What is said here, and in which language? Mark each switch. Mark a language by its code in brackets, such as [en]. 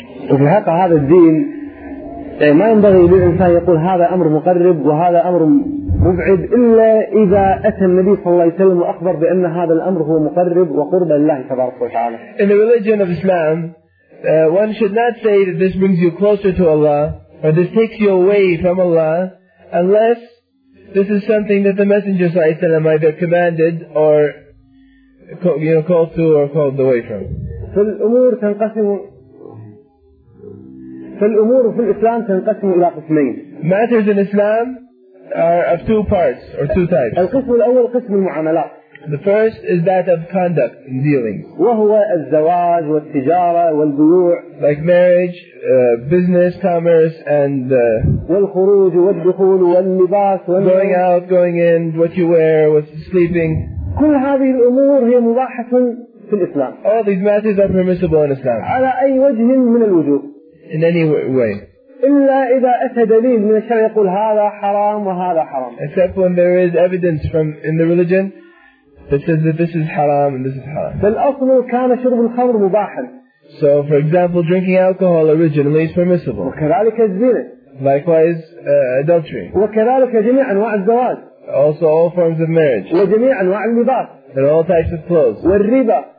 [ar] وفي الحقيقه هذا الدين يعني ما ينبغي للانسان يقول هذا امر مقرب وهذا امر مبعد إلا إذا أتى النبي صلى الله عليه وسلم وأخبر بأن هذا الأمر هو مقرب وقرب لله تبارك وتعالى. [en] In the religion of Islam, one should not say that this brings you closer to Allah or this takes you away from Allah unless this is something that the Messenger [ar] صلى الله عليه وسلم [en] either commanded or called to or called away from. [ar] فالأمور تنقسم فالأمور في الإسلام تنقسم إلى قسمين. [en] Matters in Islam are of two parts or two types. [ar] القسم الأول قسم المعاملات. [en] The first is that of conduct and dealings. [ar] وهو الزواج والتجارة والبيوع. [en] Like marriage, business, commerce, and [ar] والخروج والدخول واللباس. [en] Going out, going in, what you wear, what's sleeping. [ar] كل هذه الأمور هي مباحة في الإسلام. [en] All these matters are permissible in Islam. [ar] على أي وجه من الوجوه. [en] In any way. [ar] إلا إذا أتى دليل من الشرع يقول هذا حرام وهذا حرام. [en] Except when there is evidence from in the religion that says that this is haram and this is haram. [ar] فالأصل كان شرب الخمر مباحا. [en] So for example, drinking alcohol originally is permissible. [ar] وكذلك الزنا. [en] Likewise, adultery. [ar] وكذلك جميع أنواع الزواج. [en] Also all forms of marriage. [ar] وجميع أنواع اللباس. [en] And all types of clothes. [ar] والربا.